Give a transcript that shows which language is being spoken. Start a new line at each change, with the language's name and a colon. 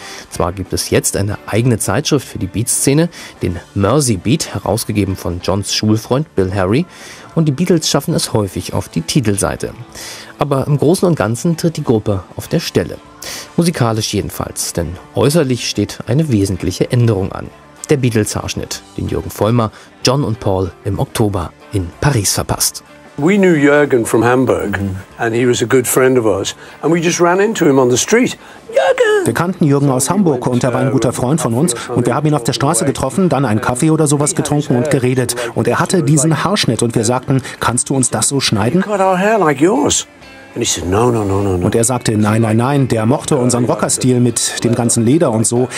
German: Zwar gibt es jetzt eine eigene Zeitschrift für die Beat-Szene, den Mersey Beat, herausgegeben von Johns Schulfreund Bill Harry, und die Beatles schaffen es häufig auf die Titelseite. Aber im Großen und Ganzen tritt die Gruppe auf der Stelle. Musikalisch jedenfalls, denn äußerlich steht eine wesentliche Änderung an. Der Beatles-Haarschnitt, den Jürgen Vollmer, John und Paul im Oktober in Paris verpasst.
English: We knew Jürgen from Hamburg and he was a good friend of us and we just ran into him on the street. Jürgen!
German: Wir kannten Jürgen aus Hamburg und er war ein guter Freund von uns und wir haben ihn auf der Straße getroffen, dann einen Kaffee oder sowas getrunken und geredet und er hatte diesen Haarschnitt und wir sagten, kannst du uns das so schneiden?
English: Got our hair like yours.
German: Und er sagte, nein, nein, nein, der mochte unseren Rockerstil mit dem ganzen Leder und so.